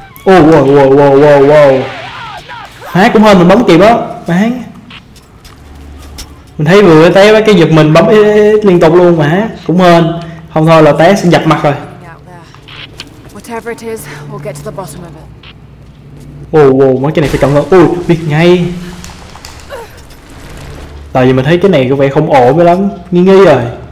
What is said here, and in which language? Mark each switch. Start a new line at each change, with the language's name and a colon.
Vietnamese: Oh, wow. Má cũng hơn mình bấm kịp á. Má. Mình thấy vừa té với cái giật mình bấm liên tục luôn mà. Cũng hơn. Không thôi là té sẽ dập mặt rồi.
English: Whatever it is, we'll get to the bottom of it.
Vietnamese: Oh, mấy cái này phải cẩn thận. Oh, biết ngay. Tại vì mình thấy cái này có vẻ không ổn với lắm. Nghi rồi.